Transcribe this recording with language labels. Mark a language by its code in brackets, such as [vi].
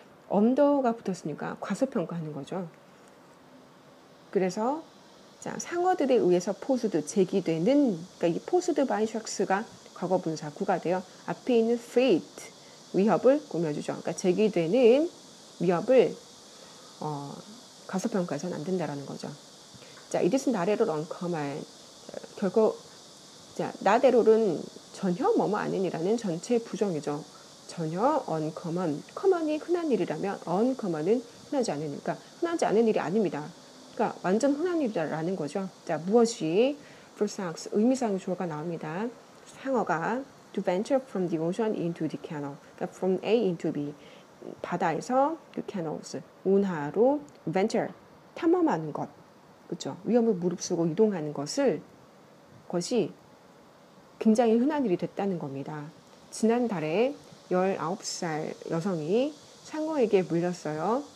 [ko] 엄더가 붙었으니까 과소평가하는 거죠. 그래서 자, 상어들에 의해서 포스드 제기되는, 그러니까 이 포스드 바이 샥스가 과거 분사 구가 되어 앞에 있는 threat 위협을 꾸며주죠. 그러니까 제기되는 위협을 과소평가해서는 안 된다라는 거죠. [en] 자, it is not at all uncommon. [ko] 결코 자, [en] not at all [ko] 은 전혀 뭐뭐 아니니라는 전체 부정이죠. 전혀 [en] uncommon. [ko] common이 흔한 일이라면 uncommon은 흔하지 않으니까 흔하지 않은 일이 아닙니다. 그러니까 완전 흔한 일이라는 거죠. 자, 무엇이 불상 의미상 주어가 나옵니다. 상어가 [en] to venture from the ocean into the canal. [ko] 그러니까 [en] from A into B. [ko] 바다에서 그 canals 운하로 venture 탐험하는 것, 그렇죠? 위험을 무릅쓰고 이동하는 것을 것이 굉장히 흔한 일이 됐다는 겁니다. 지난달에 19살 여성이 상어에게 물렸어요.